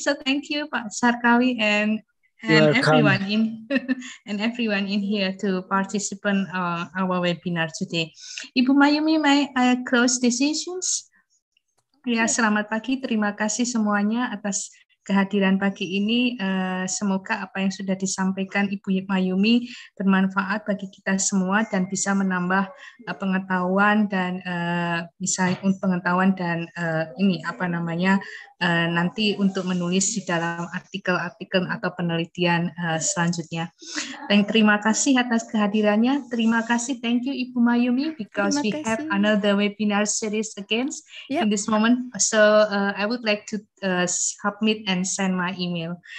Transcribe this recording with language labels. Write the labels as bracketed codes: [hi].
[en] So thank you, Pak Sarkawi, and everyone in here to participate our webinar today. Ibu Mayumi, may I close decisions? [id] Ya, selamat pagi. Terima kasih semuanya atas kehadiran pagi ini. Semoga apa yang sudah disampaikan Ibu Mayumi bermanfaat bagi kita semua dan bisa menambah pengetahuan dan nanti untuk menulis di dalam artikel-artikel atau penelitian selanjutnya. Terima kasih atas kehadirannya. Terima kasih. [en] Thank you, Ibu Mayumi, because we have another webinar series again in this moment. So I would like to submit and send my email.